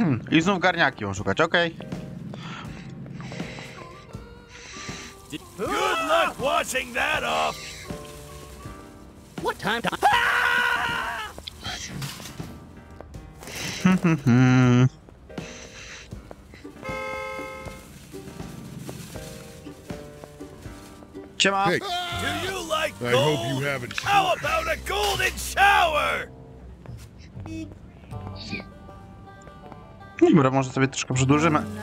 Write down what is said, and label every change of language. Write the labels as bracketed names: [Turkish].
[Polish] I znów garniaki ją szukać, okej. [English] Good luck washing that off! What time to- Siema! Hey. Do you like gold? I hope you haven't. How about a golden shower? [Polish] Dobra, może sobie troszkę przedłużymy.